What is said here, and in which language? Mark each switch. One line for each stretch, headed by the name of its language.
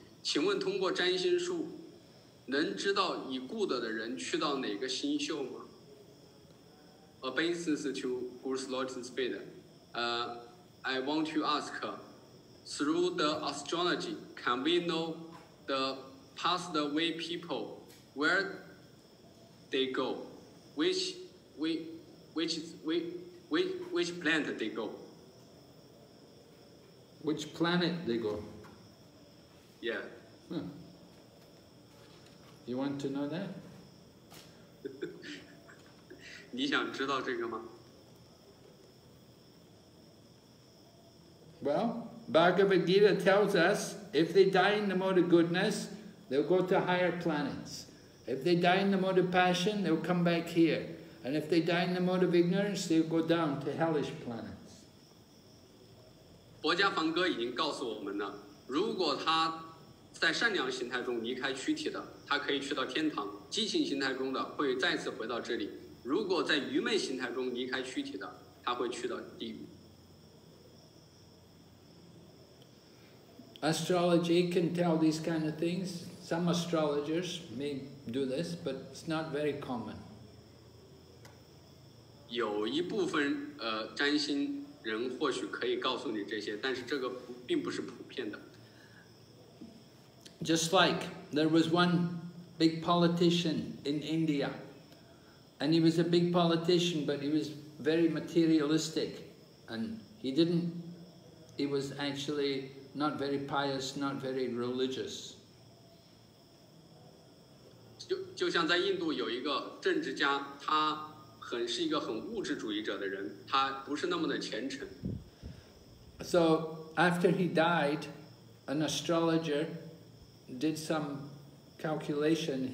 Chinese: 请问通过占星术, 能知道已故的人去到哪个星宿吗?
English: Obeisance to Guru's Lord's Feet. I want to ask, through the astrology, can we know the passed away people, where they go, which planet they go. Which planet they go? Yeah. Hmm. You want to know that?
Chinese: 你想知道这个吗？
English: Well, Bhagavad Gita tells us, if they die in the mode of goodness, they'll go to higher planets. If they die in the mode of passion, they'll come back here. And if they die in the mode of ignorance, they'll go down to hellish planets.
Chinese: 薄伽梵歌已经告诉我们了，如果他在善良形态中离开躯体的，他可以去到天堂；畸形形态中的会再次回到这里；如果在愚昧形态中离开躯体的，他会去到地狱。
English: Astrology can tell these kind of things. Some astrologers may do this, but it's not very common.
Chinese: 有一部分占星人或许可以告诉你这些，但是这个并不是普遍的。
English: Just like there was one big politician in India, and he was a big politician, but he was very materialistic, and he was actually not very pious, not very religious.
Chinese: 就像在印度有一个政治家，他是一个很物质主义者的人，他不是那么的虔诚。
English: So after he died, an astrologer did some calculation.